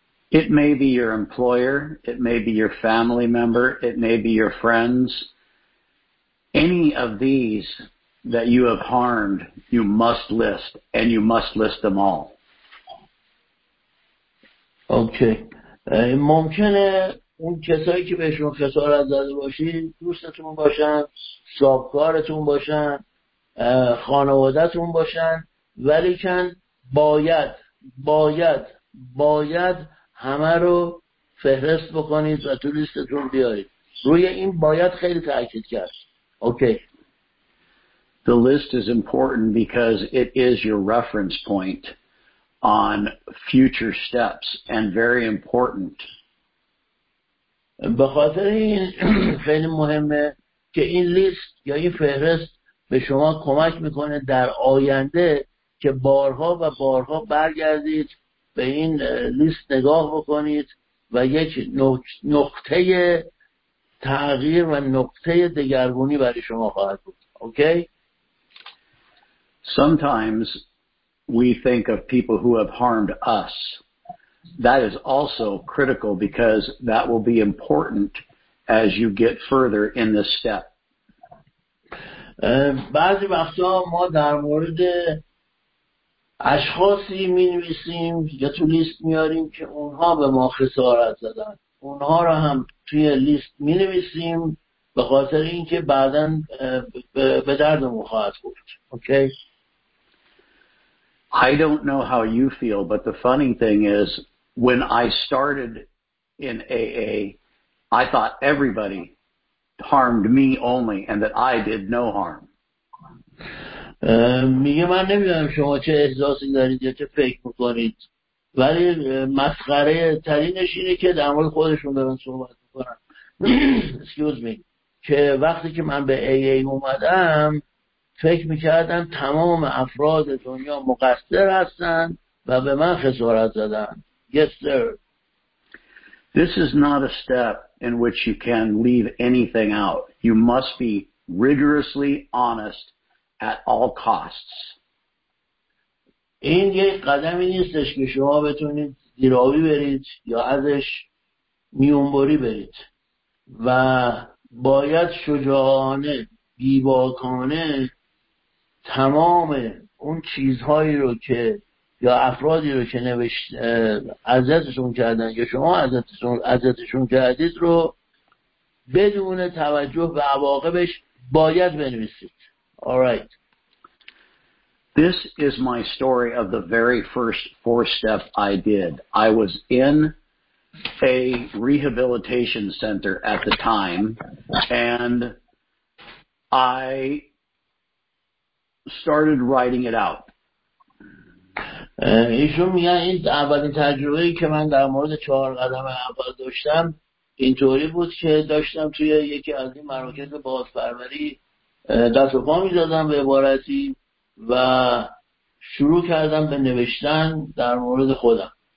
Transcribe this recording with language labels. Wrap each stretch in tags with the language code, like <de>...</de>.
<en>It may be your employer, it may be your family member, it may be your friends. Any of these that you have harmed, you must list, and you must list them all. Okay.</en> <fa>ممکنه اون کسایی که بهشون خسارت زده باشین، دوستتون باشن، سابکارتون باشن، خانوادتون باشن، ولیکن باید همه رو فهرست بکنید و تو لیستتون بیارید. روی این باید خیلی تأکید کرد. اوکی.</fa> <en>The list is important because it is your reference point on future steps and very important.</en> <fa>به خاطر این خیلی مهمه که این لیست یا این فهرست به شما کمک میکنه در آینده که بارها و بارها برگردید به این لیست نگاه بکنید و یک نقطه تغییر و نقطه دگرگونی برای شما خواهد بود.</fa> <en>Okay? Sometimes we think of people who have harmed us. That is also critical because that will be important as you get further in this step.</en> <fa>بعضی وقتا ما در مورد اشخاصی می نویسیم یا تو لیست میاریم که اونها به ما خسارت زدن. اونها را هم توی لیست می نویسیم به خاطر اینکه بعداً به دردمون خواهد خورد.</fa> <en>Okay? I don't know how you feel, but the funny thing is, when I started in AA, I thought everybody harmed me only and that I did no harm.</en> <fa>میگه من نمیدونم شما چه احساسی دارید یا چه فکر میکنید. ولی مسخره ترینش اینه که در مورد خودشون دارن صحبت میکنن.</fa> <en>Excuse me.</en> <fa>که وقتی که من به AA اومدم، فکر میکردن تمام افراد دنیا مقصر هستن و به من خسارت زدن.</fa> <en>Yes, sir. This is not a step in which you can leave anything out. You must be rigorously honest at all costs.</en> <fa>این یک قدمی نیستش که شما بتونید زیراوی برید یا ازش میونبری برید و باید شجاعانه بیباکانه تمام اون چیزهایی رو که یا افرادی رو که نوشته ازتشون کردن یا شما ازتشون کردید رو بدون توجه به عواقبش باید بنویسید.</fa> <en>All right. This is my story of the very first four step I did. I was in a rehabilitation center at the time and I started writing it out.</en> <fa>ایشون میگه این اولین تجربه‌ای که من در مورد چهار قدم اول داشتم اینطوری بود که داشتم توی یکی از این مراکز بازپروری دست و پا می‌زدم به عبارتی و شروع کردم به نوشتن در مورد خودم.</fa>